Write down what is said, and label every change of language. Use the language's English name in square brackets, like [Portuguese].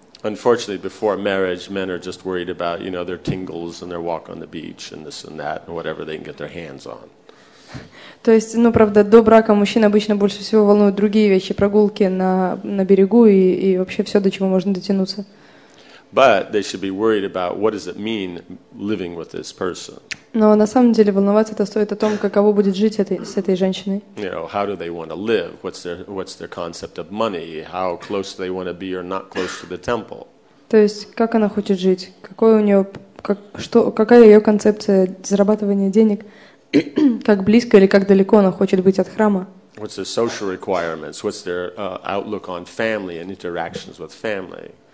[English] Unfortunately, before marriage, men are just worried about, you know, their tingles and their walk on the beach and this and that and whatever they can get their hands on. [Russian] То есть, ну, правда, до брака мужчин обычно больше всего волнуют другие вещи, прогулки на берегу и вообще все, до чего можно дотянуться. [English] But they should be worried about what does it mean living with this person. [Russian] Но на самом деле волноваться это стоит о том, каково будет жить с этой женщиной. [English] You know, how do they want to live? What's their concept of money? How close do they want to be or not close to the temple? [Russian] То есть как она хочет жить? Какой у нее какая ее концепция зарабатывания денег? Как близко или как далеко она хочет быть от храма? [English] What's their social requirements? What's their outlook on family and interactions with family?